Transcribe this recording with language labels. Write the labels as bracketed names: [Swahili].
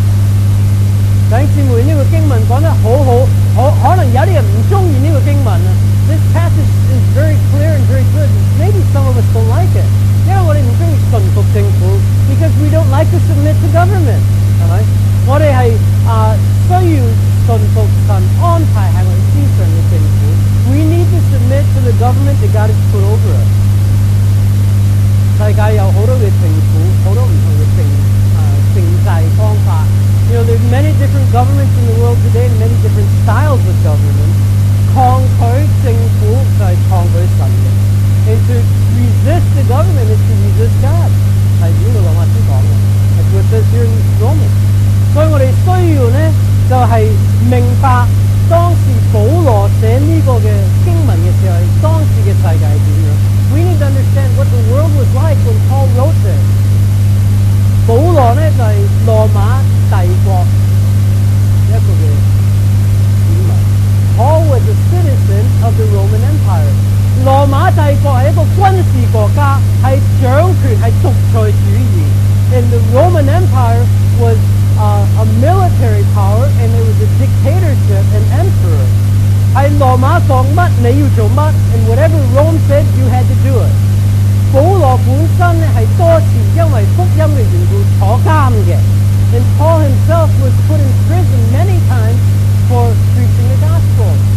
[Chinese] 弟兄姊妹，这个经文讲得好好，可能有些人不喜欢这个经文。 [English] This passage is very clear and very good. Maybe some of us don't like it. [Chinese] 因为我们不喜欢顺服政府。 [English] Because we don't like to submit to government. [Chinese] 是吧？我们是需要顺服神安排在我们身上的政府。 [English] We need to submit to the government that God has put over us. [Chinese] 世界有很多的政府，很多不同的政制方法。 [English] You know, there are many different governments in the world today, and many different styles of government. [Chinese] 抗拒政府就是抗拒神的。 [English] And to resist the government is to resist God. [Chinese] 是这个罗马书讲的。 [English] That's what it says here in Romans. [Chinese] 所以我们需要呢，就是明白当时保罗写这个的经文的时候，当时的世界是怎样。 [English] We need to understand what the world was like when Paul wrote this. [Chinese] 保罗呢就是罗马帝国一个的子民。 [English] Paul was a citizen of the Roman Empire. [Chinese] 罗马帝国是一个军事国家，是掌权，是独裁主义。 [English] And the Roman Empire was a military power, and it was a dictatorship, an emperor. [Chinese] 是罗马说什么你要做什么 [English] ，and whatever Rome said, you had to do it. [Chinese] 保罗本身是多次因为福音的缘故坐监的。 [English] And Paul himself was put in prison many times for preaching the gospel.